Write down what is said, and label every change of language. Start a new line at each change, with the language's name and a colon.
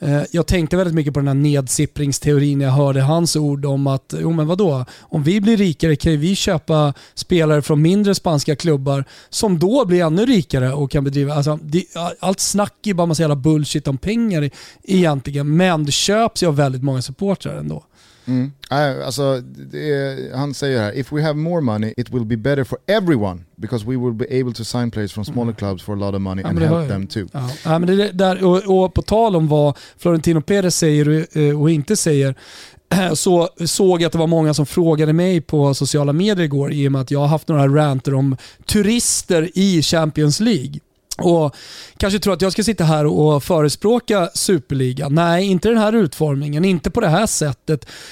Swedish: Jag tänkte väldigt mycket på den här nedsippringsteorin när jag hörde hans ord om att, jo men vadå, om vi blir rikare kan vi köpa spelare från mindre spanska klubbar som då blir ännu rikare och kan bedriva, alltså, allt snack är bara massa jävla bullshit om pengar egentligen, men det köps ju av väldigt många supportrar ändå. Alltså, han säger här,
English: if we have more money it will be better for everyone because we will be able to sign players from smaller clubs for a lot of money and help them too.
Swedish: Ja. Ja, men det där, och på tal om vad Florentino Perez säger och inte säger, så såg jag att det var många som frågade mig på sociala medier igår i och med att jag har haft några ranter om turister i Champions League. Och kanske tror att jag ska sitta här och förespråka Superliga. Nej, inte den här utformningen, inte på det här sättet,